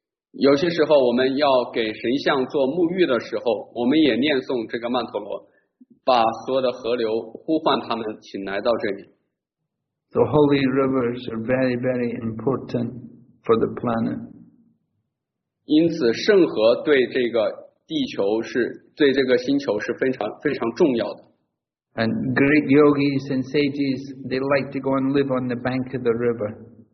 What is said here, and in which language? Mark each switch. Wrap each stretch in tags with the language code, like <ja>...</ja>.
<zh>有些时候我们要给神像做沐浴的时候，我们也念诵这个曼陀罗，把所有的河流呼唤他们，请来到这里。</zh> <en>The holy rivers are very, very important for the planet.</en> <zh>因此，圣河对这个地球是对这个星球是非常非常重要的。</zh> <en>And great yogis and sages, they like to go and live on the bank of the river.</en>